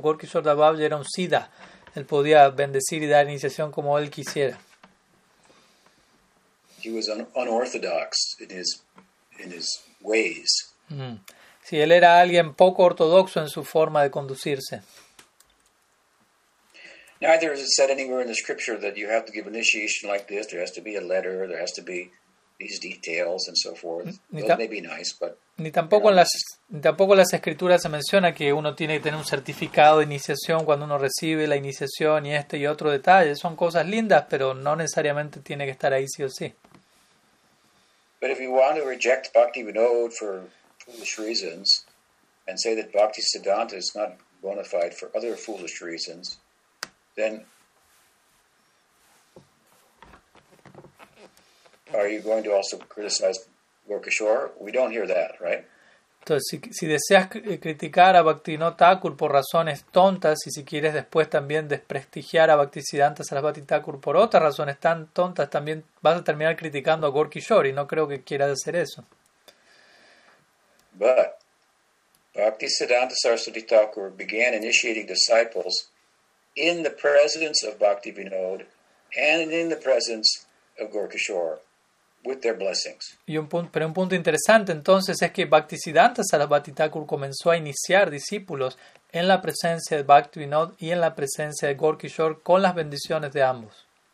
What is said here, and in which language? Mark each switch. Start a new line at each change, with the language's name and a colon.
Spanish: Gaur Kishore Das Babaji era un siddha. Él podía bendecir y dar iniciación como él quisiera.
English: He was unorthodox in his ways. Mm.
Spanish: Sí, él era alguien poco ortodoxo en su forma de conducirse.
English: Neither is it said anywhere in the scripture that you have to give initiation like this. There has to be a letter, there has to be these details and so forth. Those may be nice, but
Spanish: ni tampoco en las escrituras se menciona que uno tiene que tener un certificado de iniciación cuando uno recibe la iniciación y este y otro detalle. Son cosas lindas, pero no necesariamente tiene que estar ahí sí o sí.
English: But if you want to reject Bhaktivinoda for foolish reasons and say that Bhaktisiddhanta is not bona fide for other foolish reasons, then are you going to also criticize Gaur Kishore? We don't hear that, right?
Spanish: Entonces, si deseas criticar a Bhaktivinoda Thakur por razones tontas, y si quieres después también desprestigiar a Bhaktisiddhanta Sarasvati Thakur por otras razones tan tontas, también vas a terminar criticando a Gaur Kishore, y no creo que quieras hacer eso.
English: But Bhaktisiddhanta Sarasvati Thakur began initiating disciples in the presence of Bhaktivinoda and in the presence of Gaur Kishore, with their blessings.
Spanish: Pero un punto interesante entonces es que Bhaktisiddhanta Sarasvati Thakur comenzó a iniciar discípulos en la presencia de Bhaktivinoda y en la presencia de Gaur Kishore con las bendiciones de ambos.